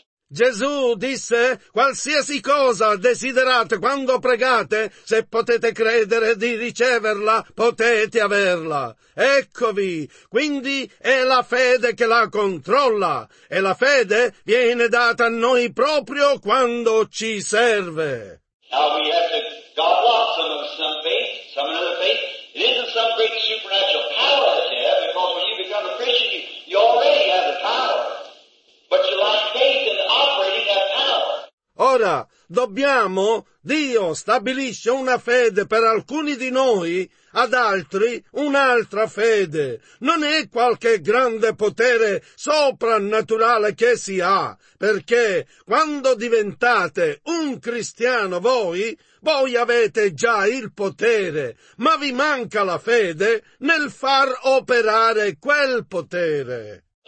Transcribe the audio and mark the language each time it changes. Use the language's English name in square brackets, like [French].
[Italian] Gesù disse, qualsiasi cosa desiderate quando pregate, se potete credere di riceverla, potete averla. Eccovi, quindi è la fede che la controlla, e la fede viene data a noi proprio quando ci serve. [English] Now we have to God lost some faith, some another faith. It isn't some great supernatural power that you have, because when you become a Christian, you already have the power. But you lack faith in operating that power. [Italian] Ora, dobbiamo, Dio stabilisce una fede per alcuni di noi, ad altri un'altra fede. Non è qualche grande potere soprannaturale che si ha, perché quando diventate un cristiano voi, voi avete già il potere, ma vi manca la fede nel far operare quel potere.